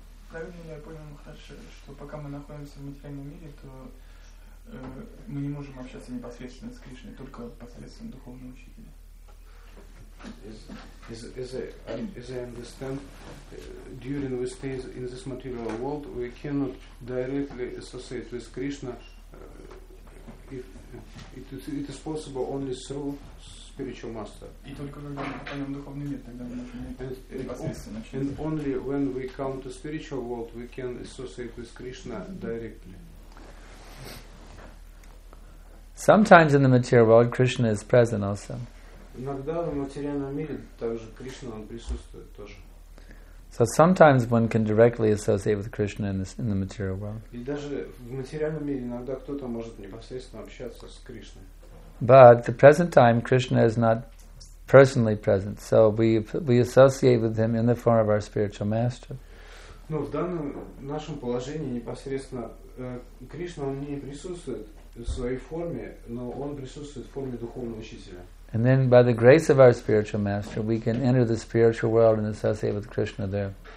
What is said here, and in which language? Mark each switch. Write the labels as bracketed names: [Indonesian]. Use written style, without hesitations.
[Russian] Правильно я понял, что пока мы находимся в материальном мире, то мы не можем общаться непосредственно с Кришной, только посредством духовного учителя. [English] As I understand, during we stay in this material world, we cannot directly associate with Krishna. It is possible only through spiritual master. [Russian] И только когда мы попадем в духовный мир, тогда мы можем непосредственно общаться. [English] And only when we come to spiritual world, we can associate with Krishna directly. Sometimes in the material world, Krishna is present also. [Russian] Иногда в материальном мире также Кришна он присутствует тоже. [English] So sometimes one can directly associate with Krishna in the material world. [Russian] И даже в материальном мире иногда кто-то может непосредственно общаться с Кришной. [English] But the present time, Krishna is not personally present, so we associate with him in the form of our spiritual master. [Russian] Но в данном нашем положении непосредственно Кришна он не присутствует. [English] And then by the grace of our spiritual master, we can enter the spiritual world and associate with Krishna there.